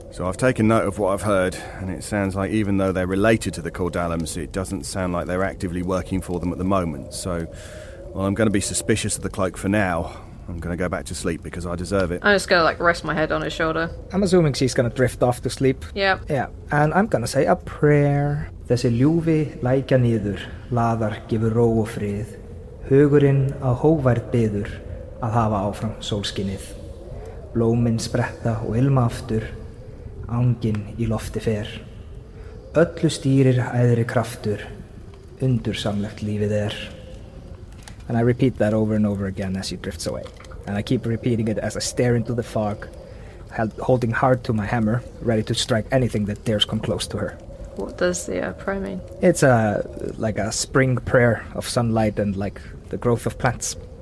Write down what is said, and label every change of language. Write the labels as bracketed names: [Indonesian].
[English] So I've taken note of what I've heard, and it sounds like even though they're related to the Kordalums, it doesn't sound like they're actively working for them at the moment. So, I'm going to be suspicious of the cloak for now. I'm going to go back to sleep because I deserve it. I'm just going to rest my head on his shoulder. I'm assuming she's going to drift off to sleep. Yeah. And I'm going to say a prayer. [Icelandic] Þessi ljúfi lækja niður, laðar gefur ró og frið. Hugurinn á hóvært byður að hafa áfram sólskinnið. Blómin spretta og ilma aftur, anginn í lofti fer. Öllu stýrir æðri kraftur, undursamlegt lífið er. [English] And I repeat that over and over again as she drifts away. And I keep repeating it as I stare into the fog, holding hard to my hammer, ready to strike anything that dares come close to her. What does the prayer mean? It's a spring prayer of sunlight and like the growth of plants.